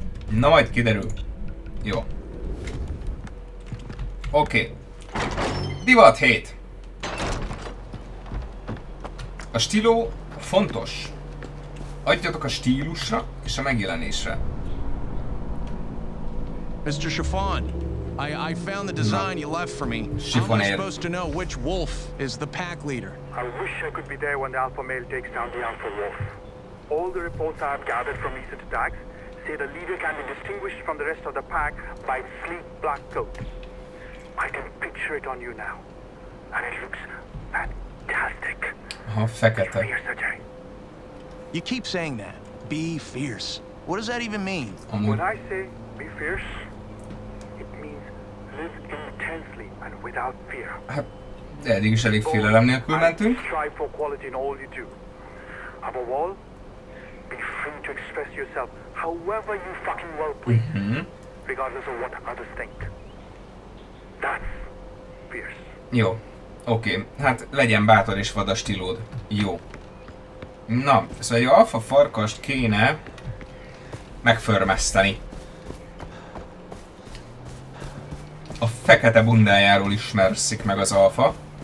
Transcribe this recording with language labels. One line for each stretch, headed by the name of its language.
Hungarian: Na majd kiderül. Jó. Oké. Divat 7. A stíló fontos. Adjatok a stílusra és a megjelenésre.
English: Mr. Chiffon, I found the design you left for me. Chiffon, how am I supposed to know which wolf is the pack leader? I wish I could be there when the alpha male takes down the alpha wolf. All the reports I have gathered from recent attacks say the leader can be distinguished from the rest of the pack by its sleek black coat. I can picture it on you now, and it looks fantastic.
Hungarian: Aha, fekete.
English: Be fierce, Ajay. You keep saying that. Be fierce. What does that even mean? When I say be fierce, it means live intensely and without fear.
Hungarian: Hát, eddig is elég félelem nélkül mentünk.
English: Strive for quality in all you do. Above all, be free to express yourself however you fucking well please, regardless of what others think. That's fierce.
Hungarian: Jó. Oké. Hát legyen bátor és vad a stílód. Jó. Na, szóval egy alfa farkast kéne megförmeszteni. A fekete bundájáról ismerszik meg az alfa.